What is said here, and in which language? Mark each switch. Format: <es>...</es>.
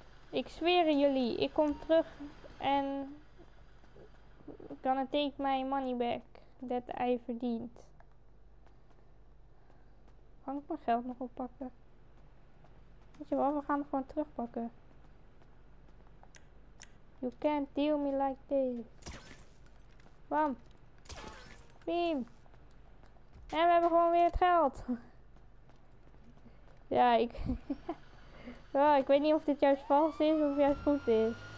<nl>Ik zweer jullie, ik kom terug en...</nl> <en>gonna take my money back that I</en> <nl>verdient. Kan ik mijn geld nog oppakken? Weet je wel, we gaan het gewoon terugpakken.</nl> <en>You can't deal me like this. Bam. Beam.</en> <nl>En we hebben gewoon weer het geld. Ja, ik... Oh, ik weet niet of dit juist vals is of juist goed is.</nl>